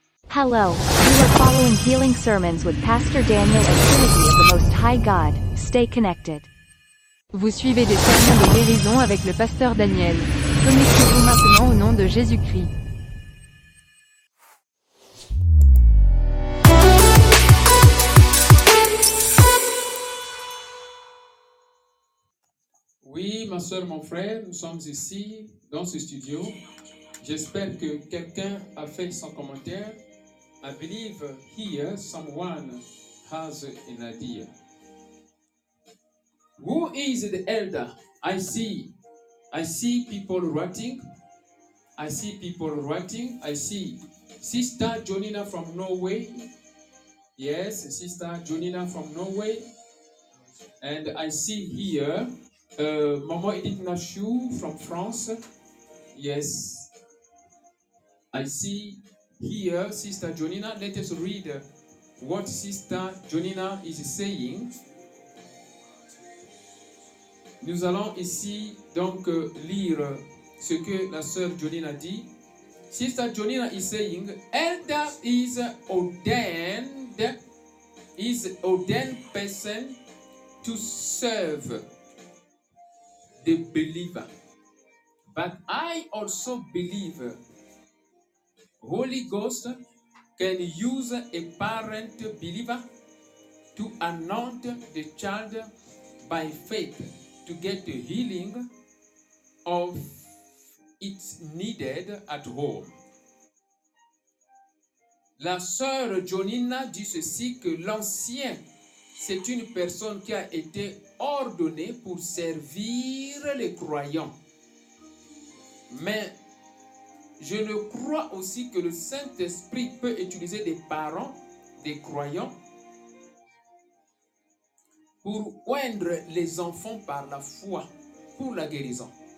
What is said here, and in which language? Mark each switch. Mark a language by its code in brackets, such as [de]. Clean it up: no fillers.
[en] Hello, you are following Healing Sermons with Pastor Daniel of Trinity of the Most High God. Stay connected. [fr] Vous suivez des sermons de guérison avec le pasteur Daniel. Connectez-vous maintenant au nom de Jésus-Christ. Oui, ma soeur, mon frère, nous sommes ici dans ce studio. J'espère que quelqu'un a fait son commentaire. [en] I believe here someone has an idea. Who is the elder? I see people writing. I see people writing. I see Sister Jonina from Norway. Yes, Sister Jonina from Norway. And I see here Mama Edith Nashu from France. Yes. I see here Sister Jonina. Let us read what Sister Jonina is saying. [fr] Nous allons ici donc lire ce que la sœur Jonina dit. [en] Sister Jonina is saying, Elder is ordained, person to serve the believer. But I also believe Holy Ghost can use a parent believer to anoint the child by faith to get the healing of its needed at home. [fr] La sœur Jonina dit ceci que l'ancien, c'est une personne qui a été ordonnée pour servir les croyants. Mais je le crois aussi que le Saint-Esprit peut utiliser des parents, des croyants, pour oindre les enfants par la foi, pour la guérison.